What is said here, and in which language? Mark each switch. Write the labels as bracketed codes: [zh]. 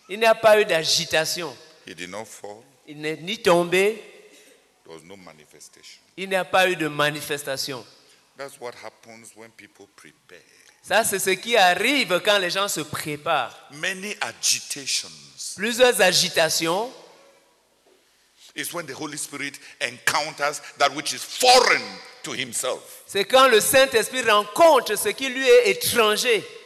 [fr] Il n'y a pas eu d'agitation. [en] He did not fall. [fr] Il n'est ni tombé. [en] There was no manifestation. [fr] Il n'y a pas eu de manifestation. [en] That's what happens when people prepare. [fr] Ça, c'est ce qui arrive quand les gens se préparent. [en] Many agitations. [fr] Plusieurs agitations. [en] It's when the Holy Spirit encounters that which is foreign to himself. [fr] C'est quand le Saint-Esprit rencontre ce qui lui est étranger.